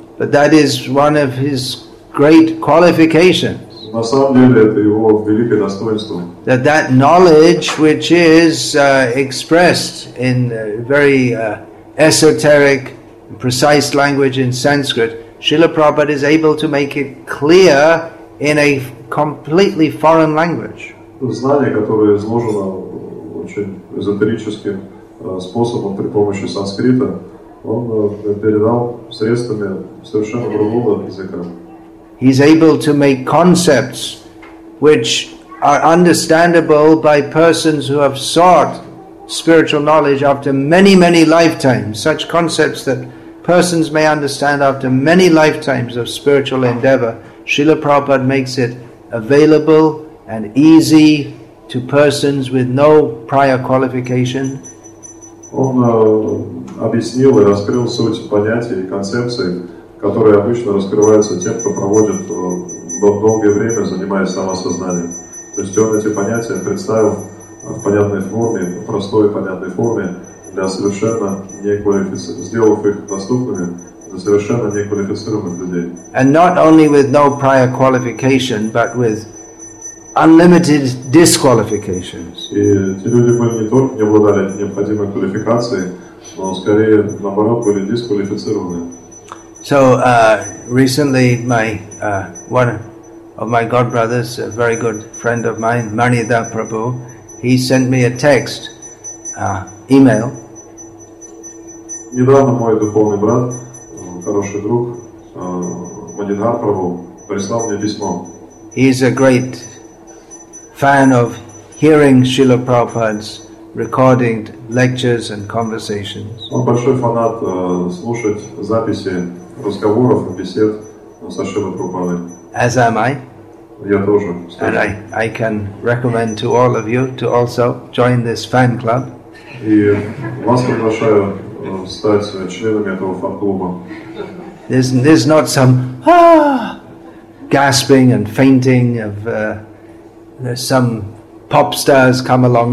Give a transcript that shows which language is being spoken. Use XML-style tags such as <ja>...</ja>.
<en>But that is one of his great qualifications.</en> <ru>На самом деле это его великое достоинство.</ru> <en>That that knowledge, which is expressed in very esoteric, precise language in Sanskrit, Srila Prabhupada is able to make it clear in a completely foreign language.</en> <ru>Знание, которое изложено очень эзотерическим способом при помощи санскрита, он передал средствами совершенно другого языка.</ru> <en>He's able to make concepts which are understandable by persons who have sought spiritual knowledge after many, many lifetimes. Such concepts that persons may understand after many lifetimes of spiritual endeavor, Srila Prabhupada makes it available and easy to persons with no prior qualification.</en> <ru>Он объяснил и раскрыл суть понятий и концепций, которые обычно раскрываются тем, кто проводит долгое время, занимаясь самосознанием. То есть он эти понятия представил в понятной форме, в простой понятной форме, сделав их доступными, совершенно неквалифицированных людей.</ru> <en>And not only with no prior qualification, but with unlimited disqualifications.</en> <ru>И эти люди были не только не обладали необходимой квалификацией, но скорее наоборот были дисквалифицированы.</ru> <en>So recently my one of my god brothers, a very good friend of mine, Manidha Prabhu, he sent me a text, email.</en> <ru>Недавно мой духовный брат, хороший друг, Манидхар Прабху, прислал мне письмо.</ru> <en>He is a great fan of hearing Srila Prabhupada's recording lectures and conversations.</en> <ru>Он большой фанат слушать записи разговоров и бесед со Шрилой Прабхупадой.</ru> <en>As am I.</en> <ru>Я тоже.</ru> <en>And I can recommend to all of you to also join this fan club.</en> <ru>И вас приглашаю стать членами этого фан-клуба.</ru> <en>There's not some gasping and fainting of some pop stars come along.</en>